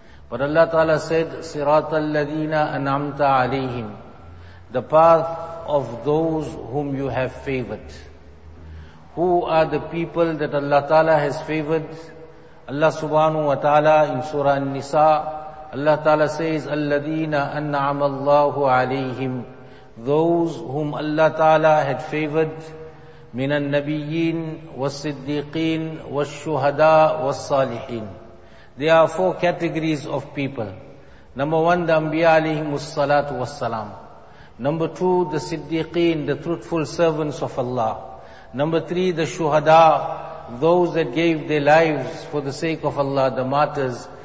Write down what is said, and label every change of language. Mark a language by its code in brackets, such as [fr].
[en] But Allah Ta'ala said [ar] Sirat al-Ladina an'amta alayhim, [en] the path of those whom you have favored. Who are the people that Allah Ta'ala has favored? Allah Subhanahu wa Ta'ala in Surah An-Nisa, Allah Ta'ala says [ar] Al-Ladina an'ama Allahu alayhim, [en] those whom Allah Ta'ala had favored. [ar] من النبيين والصديقين والشهداء والصالحين. [en] There are four categories of people. Number one, the Anbiya alayhimu salatu wassalam. Number two, the Siddiqeen, the truthful servants of Allah. Number three, the Shuhada, those that gave their lives for the sake of Allah, the martyrs.